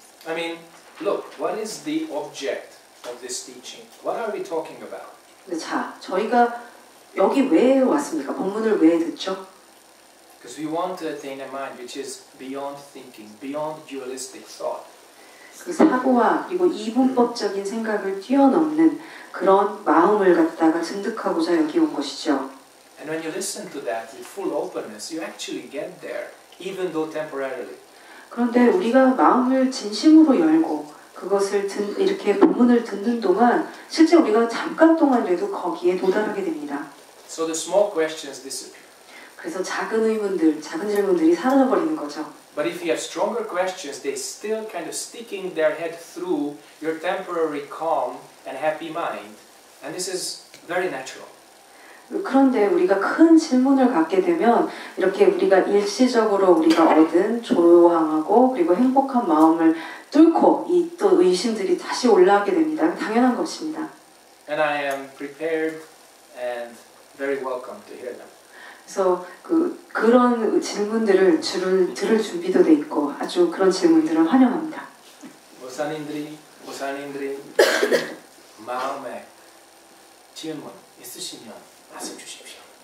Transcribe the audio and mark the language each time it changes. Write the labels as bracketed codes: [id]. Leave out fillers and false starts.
[en] I mean, look, what is the object of this teaching? What are we talking about? [ko] 자, 저희가 여기 왜 왔습니까? 법문을 왜 듣죠? [en] Because we want to attain a mind which is beyond thinking, beyond dualistic thought. [ko] 그 사고와 그리고 이분법적인 생각을 뛰어넘는 그런 마음을 갖다가 증득하고자 여기 온 것이죠. [en] And when you listen to that with full openness, you actually get there, even though temporarily. [ko] 그런데 우리가 마음을 진심으로 열고 그것을 이렇게 본문을 듣는 동안 실제 우리가 잠깐 동안에도 거기에 도달하게 됩니다. [en] So the small questions disappear. [ko] 그래서 작은 의문들, 작은 질문들이 사라져버리는 거죠. [en] But if you have stronger questions, they still kind of sticking their head through your temporary calm and happy mind. And this is very natural. [ko] 그런데 우리가 큰 질문을 갖게 되면 이렇게 우리가 일시적으로 우리가 얻은 조용하고 그리고 행복한 마음을 뚫고 이 또 의심들이 다시 올라오게 됩니다. 당연한 것입니다. [en] And I am prepared and very welcome to hear them. [ko] 그래서 그런 질문들을 들을 준비도 돼 있고 아주 그런 질문들을 환영합니다. 보살님들이 마음에 질문 있으시면 말씀 주십시오.